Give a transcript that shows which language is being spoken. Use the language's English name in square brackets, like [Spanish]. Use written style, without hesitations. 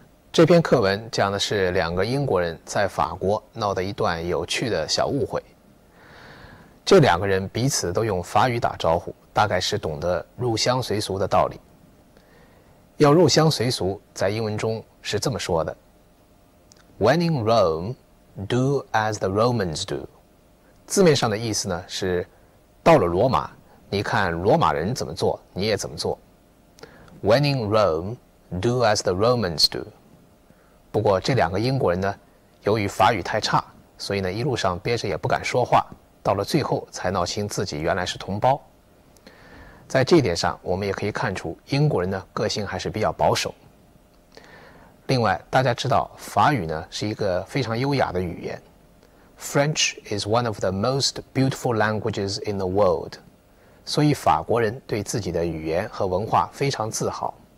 [Chinese] 这篇课文讲的是两个英国人在法国闹的一段有趣的小误会。这两个人彼此都用法语打招呼，大概是懂得入乡随俗的道理。要入乡随俗，在英文中是这么说的 [English] When in Rome, do as the Romans do. [Chinese] 字面上的意思呢是到了罗马，你看罗马人怎么做，你也怎么做。 [English] When in Rome, do as the Romans do. [Chinese] 不过这两个英国人呢，由于法语太差，所以呢一路上憋着也不敢说话，到了最后才闹清自己原来是同胞。在这一点上，我们也可以看出英国人呢个性还是比较保守。另外，大家知道法语呢是一个非常优雅的语言 [English] ，French is one of the most beautiful languages in the world， [Chinese] 所以法国人对自己的语言和文化非常自豪。